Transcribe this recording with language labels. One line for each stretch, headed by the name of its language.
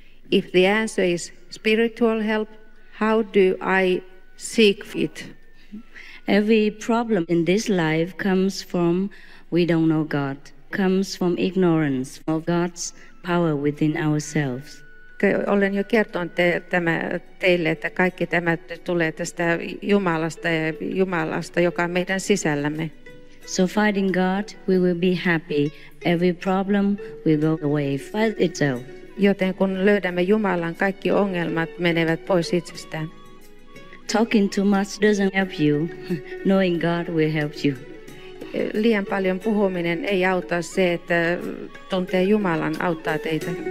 English: If the answer is spiritual help, how do I seek it? Every problem in this life comes from we don't know God, comes from ignorance of God's power within ourselves.
Finnish: Olen jo kertonut teille, että kaikki tämä tulee tästä Jumalasta, joka on meidän sisällämme.
English: So fighting God, we will be happy. Every problem will go away by itself.
Finnish: Joten kun löydämme Jumalan, kaikki ongelmat menevät pois itsestään.
English: Talking too much doesn't help you. Knowing God will help you.
Finnish: Liian paljon puhuminen ei auta, se, että tuntee Jumalan auttaa teitä.